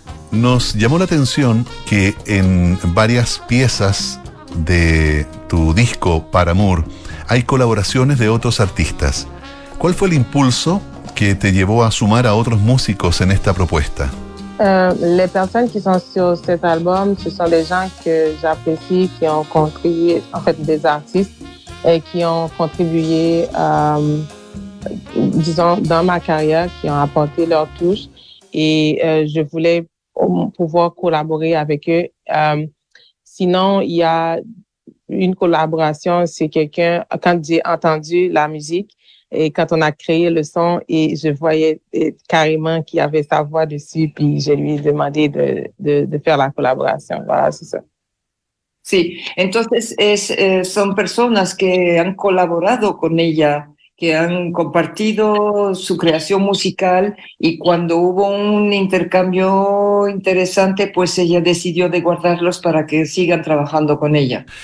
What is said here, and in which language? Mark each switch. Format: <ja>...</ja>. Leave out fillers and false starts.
<es>Nos llamó la atención que en varias piezas de tu disco Paramour hay colaboraciones de otros artistas. ¿Cuál fue el impulso que te llevó a sumar a otros músicos en esta propuesta?</es> <fr>Les personnes qui sont sur cet album, ce sont des gens que j'apprécie, qui ont contribué, en fait, des artistes et qui ont contribué, disons, dans ma carrière, qui ont apporté leur touche. Et je voulais pouvoir collaborer avec eux. Sinon, il y a une collaboration, c'est quelqu'un, quand j'ai entendu la musique et quand on a créé le son et je voyais carrément qu'il y avait sa voix dessus, puis je lui ai demandé de faire la collaboration. Voilà, c'est ça.</fr> <es>Sí, entonces son personas que han colaborado con ella, que han compartido su creación musical y cuando hubo un intercambio interesante, pues ella decidió de guardarlos para que sigan trabajando con ella.</es>